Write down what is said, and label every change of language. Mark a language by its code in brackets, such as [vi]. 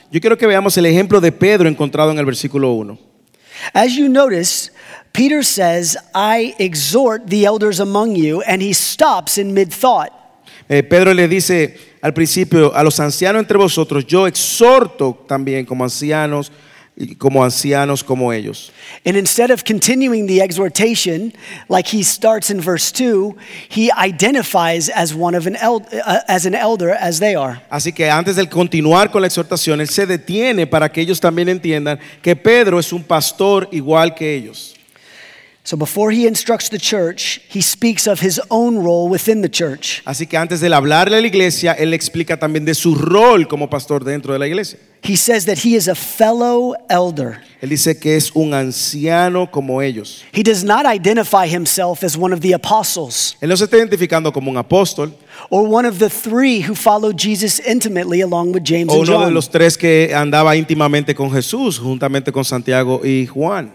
[es] Yo quiero que veamos el ejemplo de Pedro encontrado en el versículo 1. [en] As you notice, Peter says, "I exhort the elders among you," and he stops in mid-thought. [es] Pedro le dice al principio a los ancianos entre vosotros, "Yo exhorto también como ancianos." Como ancianos, como ellos. [en] And instead of continuing the exhortation, like he starts in verse 2, he identifies as one of an elder as they are. [es] Así que antes de continuar con la exhortación, él se detiene para que ellos también entiendan que Pedro es un pastor igual que ellos. [en] So before he instructs the church, he speaks of his own role within the church. [es] Así que antes de hablarle a la iglesia, él explica también de su rol como pastor dentro de la iglesia. [en] He says that he is a fellow elder. [es] Él dice que es un anciano como ellos. [en] He does not identify himself as one of the apostles. [es] Él no se está identificando como un apóstol. [en] Or one of the three who followed Jesus intimately along with James and John. [es] O uno de los tres que andaba íntimamente con Jesús, juntamente con Santiago y Juan.